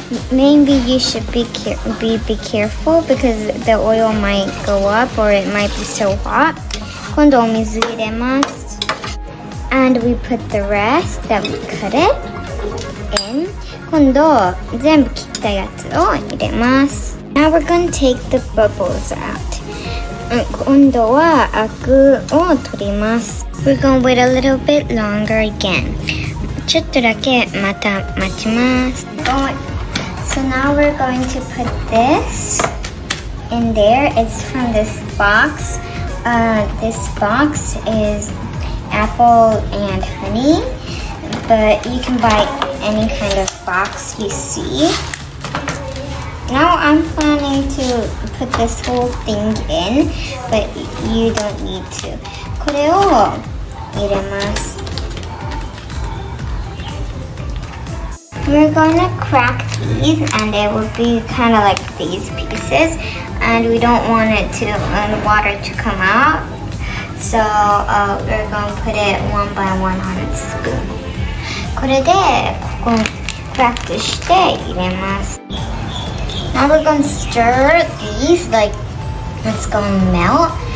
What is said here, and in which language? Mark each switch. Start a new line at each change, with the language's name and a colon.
English: Maybe you should be careful because the oil might go up or it might be so hot.
Japanese: 今度お水入れます。
English: And we put the rest that we cut it in.
Japanese: 今度全部切ったやつを入れます。
English: Now we're gonna take the bubbles out.
Japanese: 今度はアクを取ります。
English: We're gonna wait a little bit longer again.
Japanese: ちょっとだけまた待ちます。
English: So now we're going to put this in there. It's from this box. This box is apple and honey. But you can buy any kind of box you see. Now I'm planning to put this whole thing in, but you don't need to.
Japanese: これを入れます。
English: We're gonna crack these and they will be kind of like these pieces. And we don't want it to, water to come out. So we're gonna put it one by one on a spoon.
Japanese: これでここクラックして入れます。
English: Now we're gonna stir these like it's gonna melt.